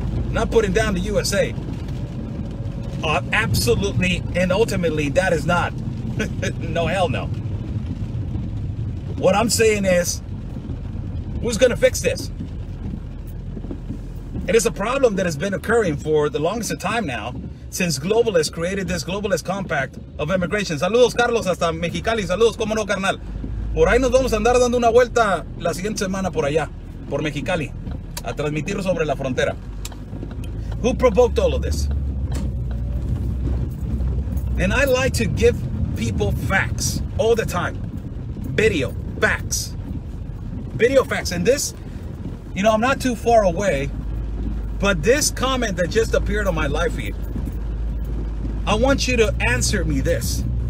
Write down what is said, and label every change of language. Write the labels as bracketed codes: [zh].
[en] Not putting down the USA. Absolutely and ultimately, that is not. No, hell no. What I'm saying is, who's gonna fix this? It is a problem that has been occurring for the longest of time now, since globalists created this globalist compact of immigration. [es] Saludos, Carlos, hasta Mexicali. Saludos, cómo no, carnal. Por ahí nos vamos a andar dando una vuelta la siguiente semana por allá, por Mexicali, a transmitir sobre la frontera. [en] Who provoked all of this? And I like to give people facts all the time. Video facts. Video facts. And this, you know, I'm not too far away, but this comment that just appeared on my live feed, I want you to answer me this.